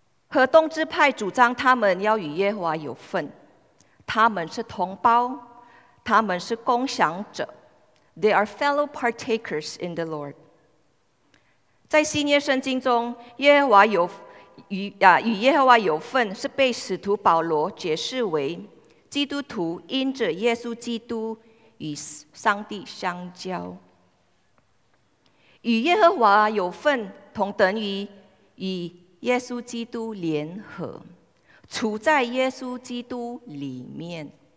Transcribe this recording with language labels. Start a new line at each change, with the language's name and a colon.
Chinese: 和东支派主张他们要与耶和华有份，他们是同胞，他们是共享者。
English: They are fellow partakers in the Lord.
Chinese: 在新约圣经中，耶和华有与耶和华有份，是被使徒保罗解释为基督徒因着耶稣基督与上帝相交。与耶和华有份，同等于与耶稣基督联合，处在耶稣基督里面。